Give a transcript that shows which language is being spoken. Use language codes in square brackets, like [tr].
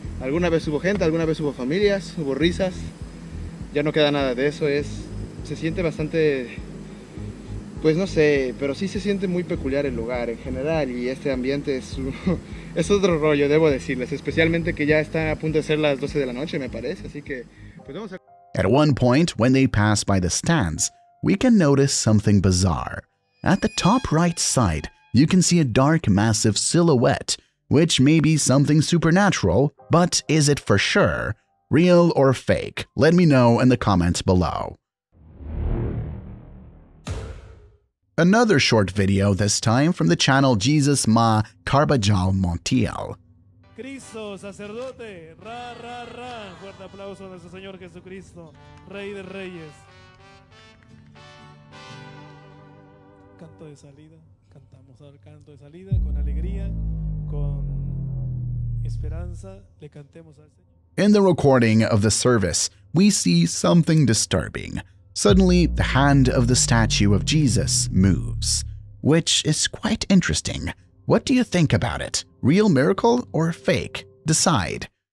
[es] Alguna vez hubo gente, alguna vez hubo familias, hubo risas. Ya no queda nada de eso, se siente bastante, pues no sé, pero sí se siente muy peculiar el lugar en general y este ambiente es otro rollo, debo decirles, especialmente que ya está a punto de ser las 12 de la noche, me parece, así que, pues vamos a... [en] At one point, when they pass by the stands, we can notice something bizarre. At the top right side, you can see a dark, massive silhouette, which may be something supernatural, but is it for sure? Real or fake? Let me know in the comments below. Another short video, this time from the channel Jesus Ma Carbajal Montiel. [es] Cristo, sacerdote, ra ra ra, fuerte aplauso a nuestro Señor Jesucristo, Rey de Reyes. Canto de salida, cantamos al canto de salida con alegría, con esperanza, le cantemos al Señor. [en] In the recording of the service, we see something disturbing. Suddenly, the hand of the statue of Jesus moves, which is quite interesting. What do you think about it? Real miracle or fake? Decide.